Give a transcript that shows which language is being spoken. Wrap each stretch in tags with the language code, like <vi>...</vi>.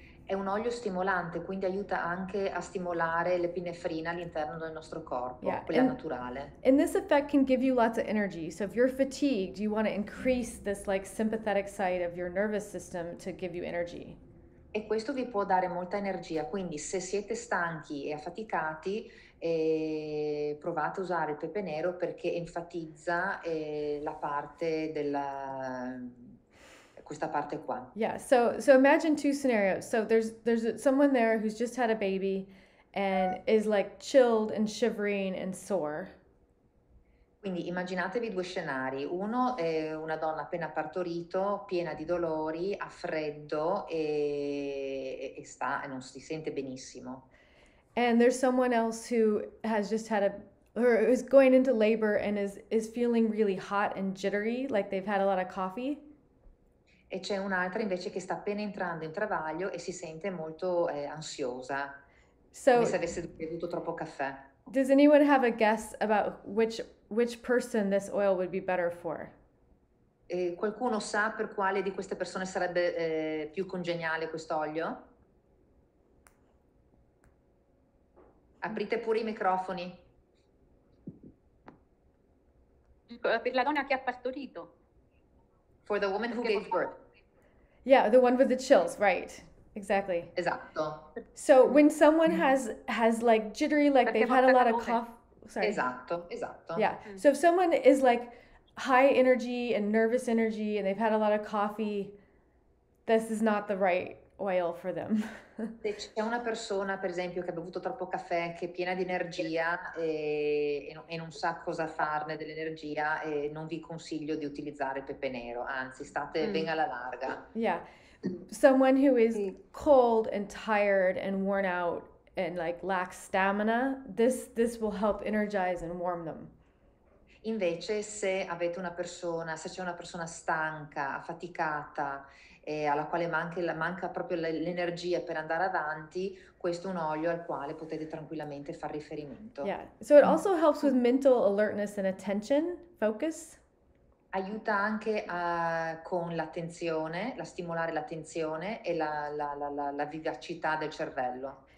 <it>È un olio stimolante, quindi aiuta anche a stimolare l'epinefrina all'interno del nostro corpo,</it> <en>yeah,</en> <it>quella naturale.</it> <en>And this effect can give you lots of energy. So if you're fatigued, you want to increase this like sympathetic side of your nervous system to give you energy.</en> <it>E questo vi può dare molta energia. Quindi se siete stanchi e affaticati, provate a usare il pepe nero perché enfatizza la parte della... questa parte qua.</it> <en>Yeah, so imagine two scenarios. So there's someone there who's just had a baby and is like chilled and shivering and sore.</en> <it>Quindi immaginatevi due scenari. Uno è una donna appena partorito, piena di dolori, a freddo e sta e non si sente benissimo.</it> <en>And there's someone else who has just had a or is going into labor and is feeling really hot and jittery, like they've had a lot of coffee.</en> <it>E c'è un'altra invece che sta appena entrando in travaglio e si sente molto ansiosa,</it> <en>so,</en> <it>come se avesse bevuto troppo caffè.</it> <en>Does anyone have a guess about which person this oil would be better for?</en> <it>Qualcuno sa per quale di queste persone sarebbe più congeniale questo olio? Aprite pure i microfoni. Per la donna che ha partorito.</it> <en>For the woman who gave birth. Yeah, the one with the chills, right. Exactly.</en> <it>Esatto.</it> <en>So when someone has like jittery, like</en> <it>perché</it> <en>they've had a lot of cough. Sorry.</en> <it>Esatto, esatto.</it> <en>Yeah. So if someone is like high energy and nervous energy and they've had a lot of coffee, this is not the right oil for them.</en> <it>Se c'è una persona, per esempio, che ha bevuto troppo caffè, che è piena di energia e non sa cosa farne dell'energia, e non vi consiglio di utilizzare pepe nero, anzi, state ben alla larga.</it> <en>Yeah, someone who is cold and tired and worn out and like lacks stamina, this will help energize and warm them.</en> <it>Invece, se c'è una persona stanca, affaticata, alla quale manca proprio l'energia per andare avanti, questo è un olio al quale potete tranquillamente fare riferimento.</it> <en>Yeah, so it also helps with mental alertness and attention focus.</en> <it>Aiuta anche con l'attenzione, la stimolare l'attenzione e la vivacità del cervello.</it>